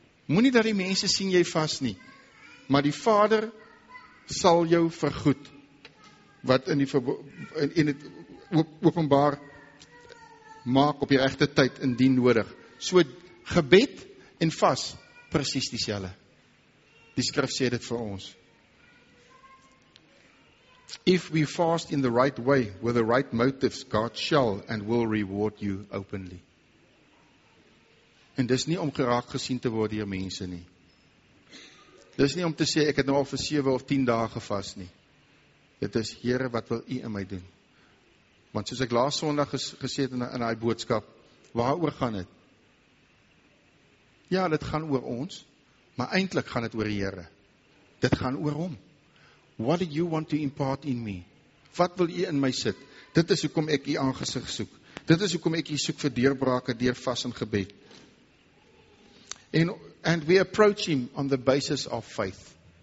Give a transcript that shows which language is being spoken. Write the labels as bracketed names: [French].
[Afrikaans] Moet nie dat die mense sien jy vas nie, maar die vader sal jou vergoed, wat in die in het openbaar maak op die regte tyd indien nodig. So gebed en vas, precies die selle. Die skrif sê dit vir ons. [English] If we fast in the right way, with the right motives, God shall and will reward you openly. [Afrikaans] En dis nie om geraak gesien te word deur mense nie. Dis nie om te sê, ek het nou al vir 7 of 10 dae gevast nie. Dit is, Here, wat wil u in my doen? Want soos ek laas Sondag gesê het in die boodskap, waaroor gaan dit? Ja, dit gaan oor ons, maar eintlik gaan dit oor die Here. Dit gaan oor hom. [English] What do you want to impart in me? [Afrikaans] Wat wil u in my sit? Dit is hoekom ek u aangesig soek. Dit is hoekom ek u soek vir deurbrake deur vas en gebed. [English] And we approach him on the basis of faith.